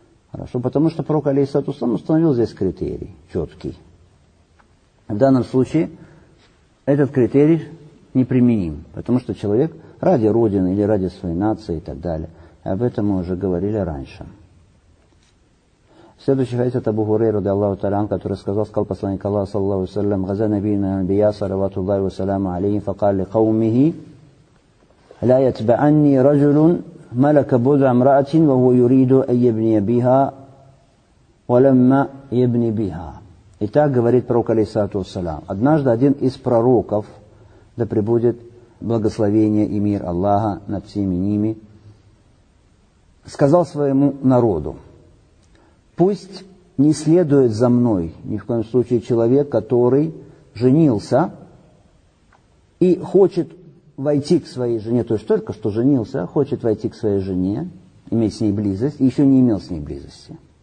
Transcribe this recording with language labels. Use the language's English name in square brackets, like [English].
[Russian] Хорошо, потому что пророк, алейхиссалату вассалям, установил здесь критерий четкий. В данном случае этот критерий неприменим, потому что человек ради родины или ради своей нации и так далее. Об этом мы уже говорили раньше. Следующий хадис от Абу Хурейры رضي الله تعالى عنه, который сказал посланник Аллаха [Arabic] صلى الله عليه وسلم: غزا نبينا الأنبياء صلوات الله وسلامه عليه فقال لقومه لا يتبعني رجل ملك بضع امرأة وهو يريد أن يبني بها ولما يبني بها. [Russian] И так говорит пророк, алейхиссалату вассалям. Однажды один из пророков, да пребудет благословение и мир Аллаха над всеми ними, сказал своему народу: пусть не следует за мной ни в коем случае человек, который женился и хочет войти к своей жене, то есть только что женился, хочет войти к своей жене, иметь с ней близость, и еще не имел с ней близости.